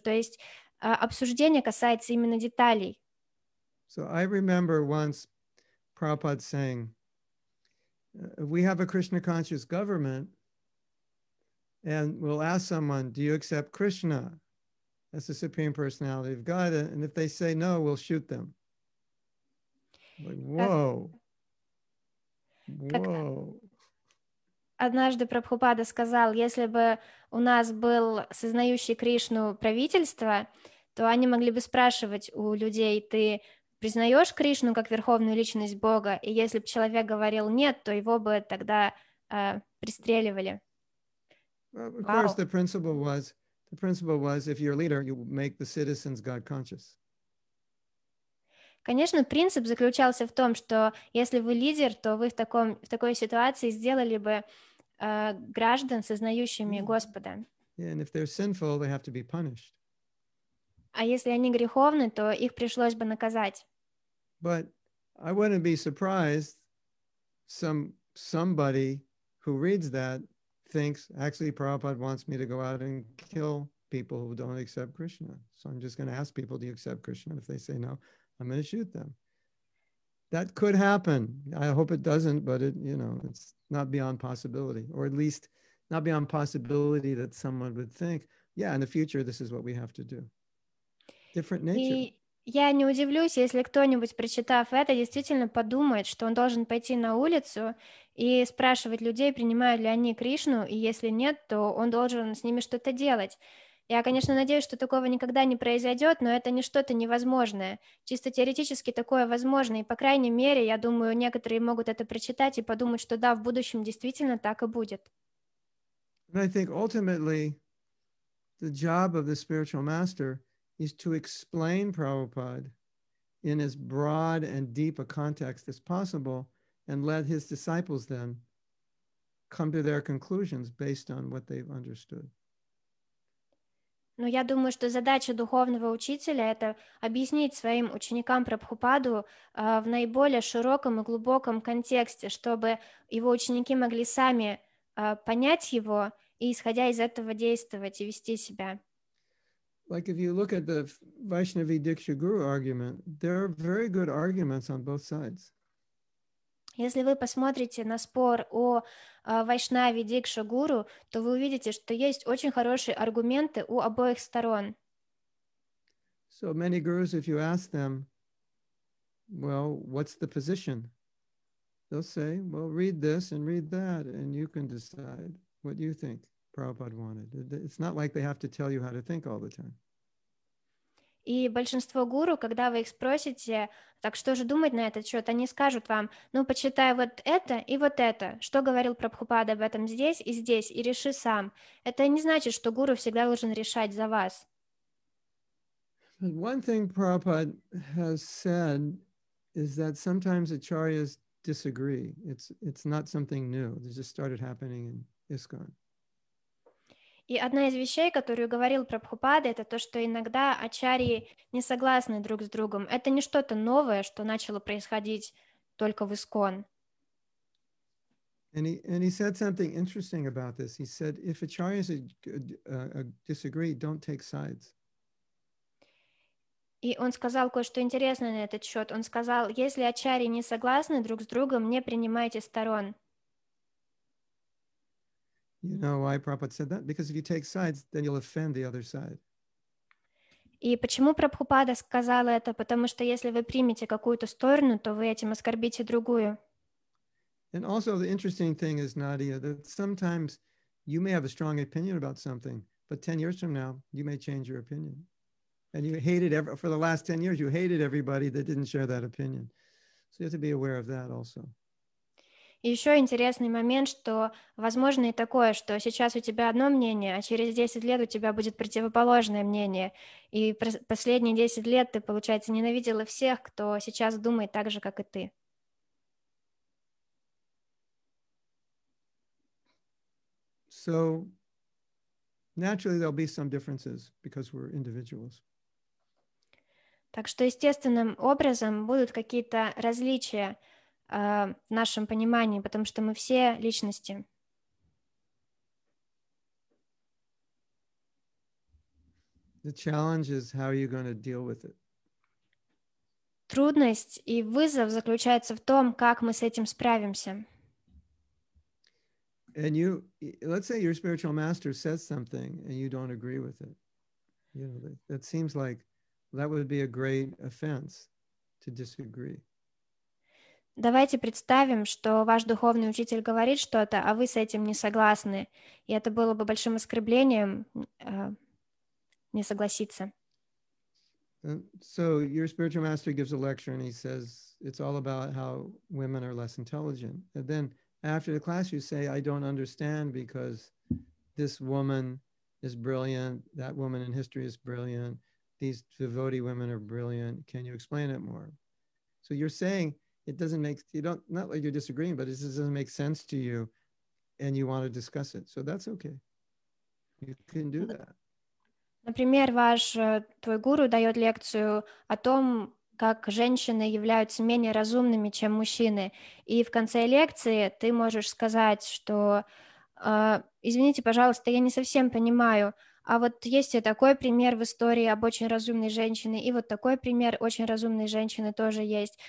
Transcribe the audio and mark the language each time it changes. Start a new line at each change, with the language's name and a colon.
Russian: То есть обсуждение касается именно деталей.
English: So I remember once Prabhupada saying, if we have a Krishna-conscious government, and we'll ask someone, do you accept Krishna as the Supreme Personality of God? And if they say no, we'll shoot them. Like, whoa.
Russian: Однажды Прабхупада сказал, если бы у нас был сознающий Кришну правительство, то они могли бы спрашивать у людей, ты признаешь Кришну как верховную личность Бога? И если бы человек говорил нет, то его бы тогда пристреливали.
English: Well, of course, the principle was, if you're a leader, you make the citizens God-conscious.
Russian: Конечно, принцип заключался в том, что если вы лидер, то вы в такой ситуации сделали бы граждан, сознающими Господа.
English: Yeah, and if they're sinful, they have to be punished.
Russian: А если они греховны, то их пришлось бы наказать.
English: But I wouldn't be surprised some somebody who reads that thinks actually Prabhupada wants me to go out and kill people who don't accept Krishna. So I'm just going to ask people, do you accept Krishna? If they say no, I'm going to shoot them. That could happen. I hope it doesn't, but it, you know, it's not beyond possibility, or at least not beyond possibility that someone would think, yeah, in the future, this is what we have to do. Different nature.
Russian: Я не удивлюсь, если кто-нибудь, прочитав это, действительно подумает, что он должен пойти на улицу и спрашивать людей, принимают ли они Кришну, и если нет, то он должен с ними что-то делать. Я, конечно, надеюсь, что такого никогда не произойдет, но это не что-то невозможное. Чисто теоретически такое возможно, и по крайней мере, я думаю, некоторые могут это прочитать и подумать, что да, в будущем действительно так и будет.
English: I think ultimately the job of the spiritual master is to explain Prabhupada in as broad and deep a context as possible and let his disciples then come to their conclusions based on what they've understood.
Russian: Но я думаю, что задача духовного учителя — это объяснить своим ученикам Прабхупаду в наиболее широком и глубоком контексте, чтобы его ученики могли сами понять его и, исходя из этого, действовать и вести себя.
English: Like if you look at the Vaishnavi Diksha Guru argument, there are very good arguments on both sides.
Russian: Если вы посмотрите на спор о Вайшнаве Дикша Гуру, то вы увидите, что есть очень хорошие аргументы у обоих сторон.
English: So many gurus, if you ask them, well, what's the position? They'll say, well, read this and read that, and you can decide what you think Prabhupada wanted. It's not like they have to tell you how to think all the time.
Russian: И большинство гуру, когда вы их спросите, так что же думать на этот счет, они скажут вам, ну, почитай вот это и вот это, что говорил Прабхупада об этом здесь и здесь, и реши сам. Это не значит, что гуру всегда должен решать за вас.
English: One thing Prabhupada has said is that sometimes acharyas disagree. It's not something new. This just started happening in ISKCON.
Russian: И одна из вещей, которую говорил Прабхупада, это то, что иногда ачарьи не согласны друг с другом. Это не что-то новое, что начало происходить только в ИСКОН.
English: And he said something interesting about this. He said, if acharyas disagree, don't take sides.
Russian: И он сказал кое-что интересное на этот счет. Он сказал, если ачарьи не согласны друг с другом, не принимайте сторон.
English: You know why Prabhupada said that? Because if you take sides, then you'll offend the other side.
Russian: И почему Прабхупада сказал это? Потому что если вы примете какую-то сторону, то вы этим оскорбите другую.
English: And also the interesting thing is, Nadia, that sometimes you may have a strong opinion about something, but 10 years from now, you may change your opinion. And you hated, for the last 10 years, you hated everybody that didn't share that opinion. So you have to be aware of that also.
Russian: И еще интересный момент, что возможно и такое, что сейчас у тебя одно мнение, а через 10 лет у тебя будет противоположное мнение. И последние 10 лет ты, получается, ненавидела всех, кто сейчас думает так же, как и ты.
English: So, naturally, there'll be some differences because we're individuals.
Russian: Так что естественным образом будут какие-то различия в нашем понимании, потому что мы все личности.
English: The challenge is how are you going to deal with it.
Russian: Трудность и вызов заключается в том, как мы с этим справимся.
English: And you, let's say your spiritual master says something and you don't agree with it. You know, that seems like that would be a great offense to disagree.
Russian: Давайте представим, что ваш духовный учитель говорит что-то, а вы с этим не согласны. И это было бы большим оскорблением не согласиться.
English: So your spiritual master gives a lecture and he says it's all about how women are less intelligent. And then after the class you say, I don't understand because this woman is brilliant, that woman in history is brilliant, these devotee women are brilliant. Can you explain it more? So you're saying, it doesn't make, you don't, not like you're disagreeing, but it just doesn't make sense to you and you want to discuss it. So that's okay. You can do that.
Russian: Например, ваш твой гуру дает лекцию о том, как женщины являются менее разумными, чем мужчины. И в конце лекции ты можешь сказать, что «Извините, пожалуйста, я не совсем понимаю, а вот есть и такой пример в истории об очень разумной женщине, и вот такой пример очень разумной женщины тоже есть».